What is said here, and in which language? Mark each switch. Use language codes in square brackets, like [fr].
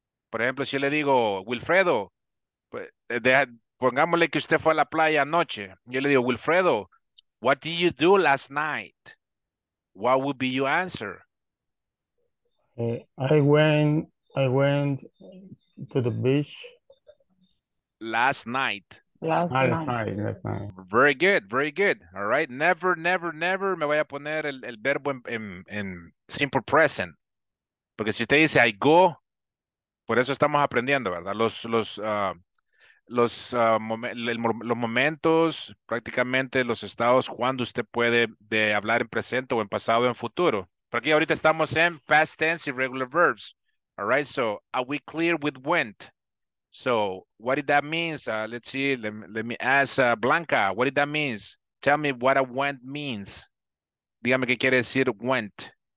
[es] Por ejemplo, si yo le digo, Wilfredo, pongámosle que usted fue a la playa anoche. Yo le digo, [en] Wilfredo, what did you do last night? What would be your answer? I went to the beach. Last night. Last night. Very good, very good. All right. Never, never, never [es] me voy a poner el verbo en [en] simple present. [es] Porque si usted dice, [en] I go, [es] por eso estamos aprendiendo, ¿verdad? Los momentos, prácticamente los estados, cuando usted puede de hablar en presente o en pasado o en futuro. Pero aquí ahorita estamos en [en] past tense irregular verbs. All right, so are we clear with went? So what did that mean? Let's see, let me ask Blanca, what did that mean? Tell me what a went means. [es] Dígame qué quiere decir [en] went.